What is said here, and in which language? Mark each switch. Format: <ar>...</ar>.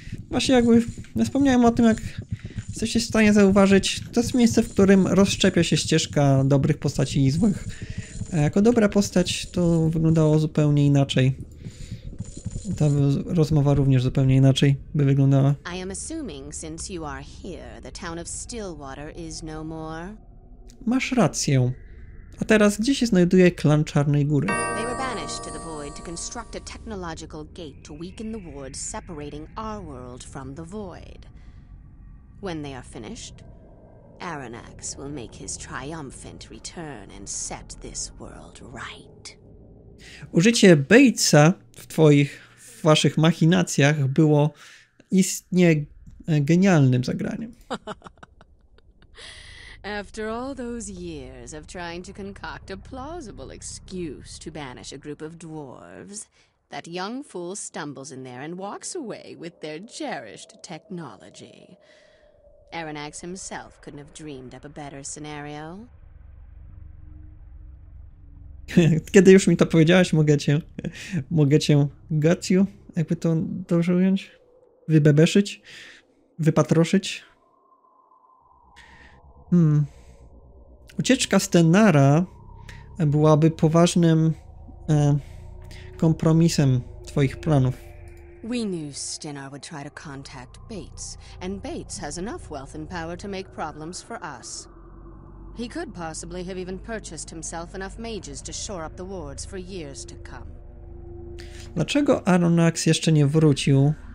<pl>Właśnie jakby wspomniałem o tym, jak jesteście w stanie zauważyć, to jest miejsce, w którym rozszczepia się ścieżka dobrych postaci i złych. A jako dobra postać to wyglądało zupełnie inaczej. Ta rozmowa również zupełnie inaczej by wyglądała.</pl> <en>I am assuming, since you are here, the town of Stillwater is no more.</en> <pl>Masz rację. A teraz gdzie się znajduje klan Czarnej Góry?</pl> <en>They were banished to the void to construct a technological gate to weaken the ward separating our world from the void. When they are finished, Aranax will make his triumphant return and set this world right.</en> <pl>Użycie Batesa w waszych machinacjach było istnie genialnym zagraniem.</pl> <en>After all those years of trying to concoct a plausible excuse to banish a group of dwarves, that young fool stumbles in there and walks away with their cherished technology. Aranax himself couldn't have dreamed up a better scenario.</en> <pl>Kiedy już mi to powiedziałeś, mogę cię, jakby to dobrze ująć, wybebeszyć, wypatroszyć. Ucieczka z Tenara byłaby poważnym kompromisem twoich planów.</pl> <en>We knew Stinnar would try to contact Bates, and Bates has enough wealth and power to make problems for us. He could possibly have even purchased himself enough mages to shore up the wards for years to come.</en> <pl>Dlaczego Aranax jeszcze nie wrócił?</pl>